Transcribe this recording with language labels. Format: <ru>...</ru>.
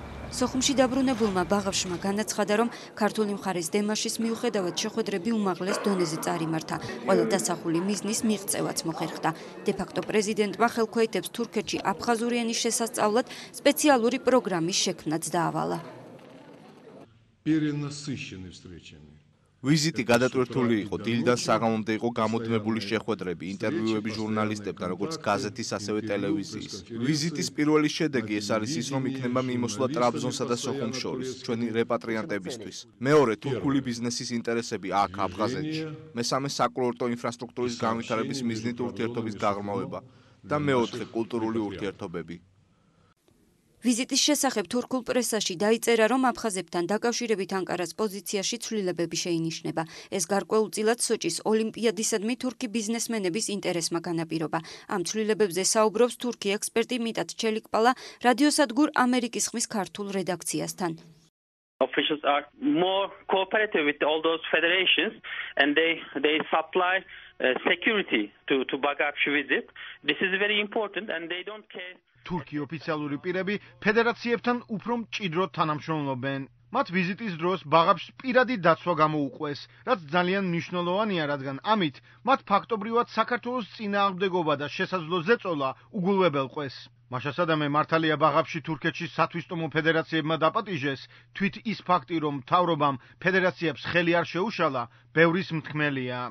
<ka>სოხუმში დაბრუნებულმა ბაღაბშმა განაცხადა, რომ ქართული მხარის დემარშის მიუხედავად შეხვედრები უმაღლეს დონეზე წარიმართა. ყველა დასახული მიზნის მიღწევაც მოხერხდა. დე ფაქტო პრეზიდენტმა ხელქვეითებს თურქეთში აფხაზური ენის შესასწავლად სპეციალური პროგრამის შექმნაც დაავალა.</ka> <ru>Перенасыщенные встречами.</ru> <ka>ვიზიტი გადატვირთული იყო დილიდან საღამომდე იყო გამოდმებული შეხვედრები ინტერვიუები ჟურნალისტებთან როგორც გაზეთის ასევე ტელევიზიის ვიზიტის პირველი შედეგი ეს არის ის რომ იქნება მიმოსვლა ტრაბზონსა და სოხუმს შორის ჩვენი რეპატრიანტებისთვის მეორე თურქული ბიზნესის ინტერესები აქ აფხაზეთში მესამე საკურორტო ინფრასტრუქტურის განვითარების მიზნით ურთიერთობის გაღრმავება და მეოთხე კულტურული ურთიერთობები ვიზიტის შესახებ თურქულ პრესაში დაიწერა, რომ აფხაზებთან დაკავშირებით ანკარას პოზიციაში ცვლილებები შეინიშნება. ეს გარკვეულწილად სოჭის ოლიმპიადისადმი თურქი ბიზნესმენების ინტერესმა განაპირობა. ამ ცვლილებებზე საუბრობს თურქი ექსპერტი მიტად ჩელიკპალა რადიოსადგურ ამერიკის ხმის ქართულ რედაქციასთან.</ka> <en>Officials are more cooperative with all those federations and they supply security to Bagapshi visit. This is very important and they don't care.</en> <ka>თურქი ოფიციალური პირები ფედერაციებთან უფრო მჭიდრო თანამშრომლობენ. მათ ვიზიტის დროს ბაღაბში პირადი დაცვა გამოუყვეს, რაც ძალიან მნიშვნელოვანია, რადგან ამით მათ ფაქტობრივად საქართველოს წინააღმდეგობა და შესაძლო ზეწოლა უგულვებელყვეს. მაშასადამე მართალია ბაღაბში თურქეთში სათვისტომო ფედერაციებმა დაპატიჟეს, თვით ის ფაქტი, რომ მთავრობამ ფედერაციებს ხელი არ შეუშალა, ბევრის მთქმელია.</ka>